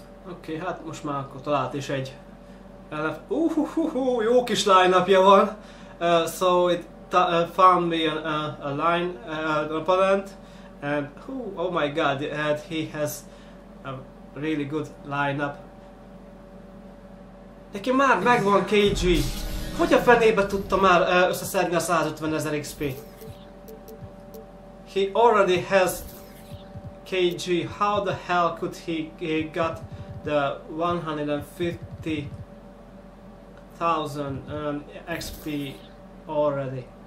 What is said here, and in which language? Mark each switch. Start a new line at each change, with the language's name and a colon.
Hungarian: Oké, hát most már akkor talált is egy ellen... jó kis line-upja van!
English: So it found me a line, an opponent, and oh my god, and he has a really good line-up.
Hungarian: Neki már megvan KG! Hogy a fenébe tudta már összeszedni a 150 ezer XP?
English: He already has KG, how the hell could he got the 150,000 XP already.